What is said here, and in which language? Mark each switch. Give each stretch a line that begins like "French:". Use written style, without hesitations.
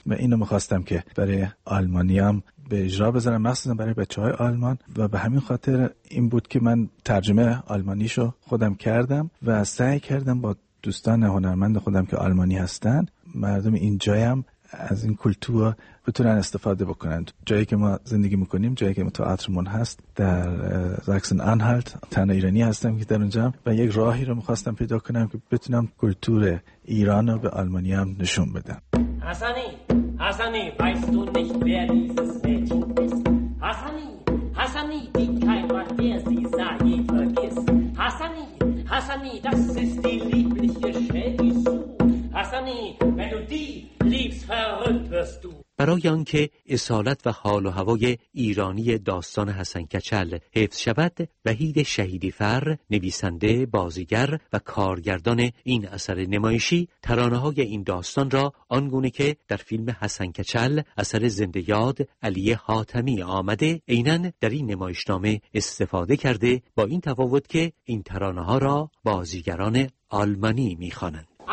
Persian: و اینو میخواستم که برای آلمانیام به اجرا بذارم، مخصوصا برای بچهای آلمان، و به همین خاطر این بود که من ترجمه آلمانیشو خودم کردم و سعی کردم با دوستان هنرمند خودم که آلمانی هستن، مردم این جایم از این کلتور بتونن استفاده بکنن. جایی که ما زندگی میکنیم، جایی که تئاترمون هست در زاکسن آنهالت، تنها ایرانی هستم که در اونجام، و یک راهی رو میخواستم پیدا کنم که بتونم کلتور ایران رو به آلمانی هم نشون بدم.
German: حسنی weißt du nicht wer dieses Mädchen ist? Hassani, die kein Wort der sie sah je vergisst. Hassani, das ist die liebliche Shelly Sue. Hassani, wenn du die liebst, verrückt wirst du.
Persian: برای آنکه اصالت و حال و هوای ایرانی داستان حسن کچل حفظ شود، وحید شهیدی فر، نویسنده، بازیگر و کارگردان این اثر نمایشی، ترانه های این داستان را آنگونه که در فیلم حسن کچل اثر زنده یاد علی حاتمی آمده، عیناً در این نمایشنامه استفاده کرده، با این تفاوت که این ترانه ها را بازیگران آلمانی می خوانند.